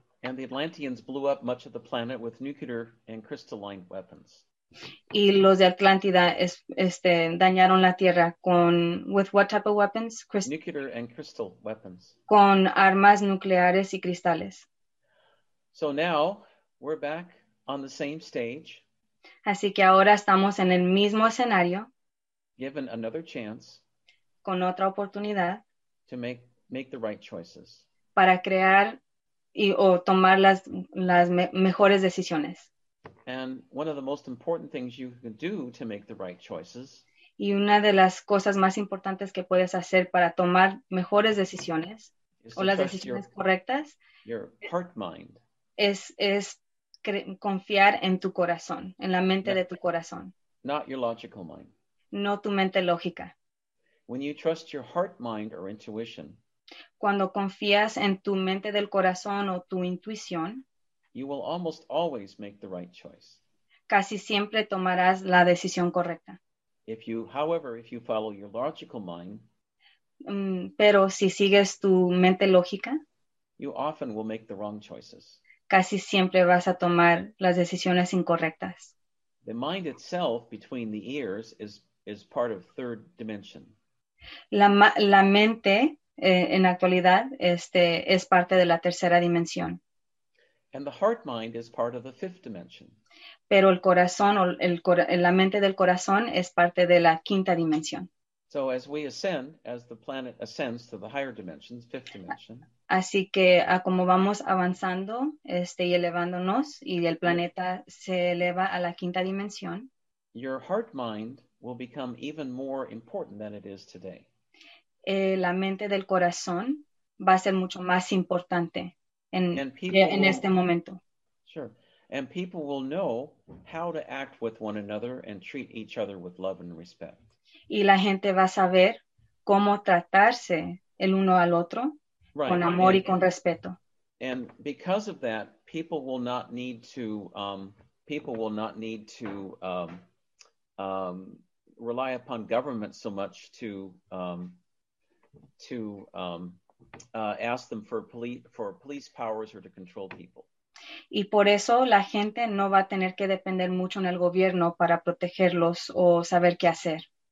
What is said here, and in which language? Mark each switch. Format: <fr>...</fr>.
<en>And the Atlanteans blew up much of the planet with nuclear and crystalline weapons.</en> <es>Y los de Atlántida dañaron la Tierra con,</es> <en>with what type of weapons? Nuclear and crystal weapons.</en> <es>Con armas nucleares y cristales.</es> <en>So now, we're back on the same stage.</en> <es>Así que ahora estamos en el mismo escenario.</es> <en>Given another chance.</en> <es>Con otra oportunidad.</es> <en>To make the right choices.</en> <es>Para crear o tomar las mejores decisiones.</es> <en>And one of the most important things you can do to make the right choices.</en> <es>Y una de las cosas más importantes que puedes hacer para tomar mejores decisiones o las decisiones correctas.</es> <en>Your heart mind.</en> <es>Es confiar en tu corazón, en la mente de tu corazón.</es> <en>Not your logical mind.</en> <es>No tu mente lógica.</es> <en>When you trust your heart, mind, or intuition.</en> <es>Cuando confías en tu mente del corazón o tu intuición.</es> <en>You will almost always make the right choice.</en> <es>Casi siempre tomarás la decisión correcta.</es> <en>If you follow your logical mind,</en> <es>pero si sigues tu mente lógica,</es> <en>you often will make the wrong choices.</en> <es>Casi siempre vas a tomar las decisiones incorrectas.</es> <en>The mind itself between the ears is part of third dimension.</en> <es>La mente en actualidad es parte de la tercera dimensión.</es> <en>And the heart mind is part of the fifth dimension.</en> <es>Pero el corazón o la mente del corazón es parte de la quinta dimensión.</es> <en>So as we ascend, as the planet ascends to the higher dimensions, fifth dimension.</en> <es>Así que a como vamos avanzando y elevándonos y el planeta se eleva a la quinta dimensión.</es> <en>Your heart mind will become even more important than it is today.</en> <es>La mente del corazón va a ser mucho más importante en este momento.</es> <en>Sure. And people will know how to act with one another and treat each other with love and respect.</en> <es>Y la gente va a saber cómo tratarse el uno al otro con amor y con respeto.</es> <en>And because of that, people will not need to rely upon government so much to ask them for police powers or to control people.</en> <es>Y por eso la gente no va a tener que depender mucho en el gobierno para protegerlos o saber qué hacer.</es>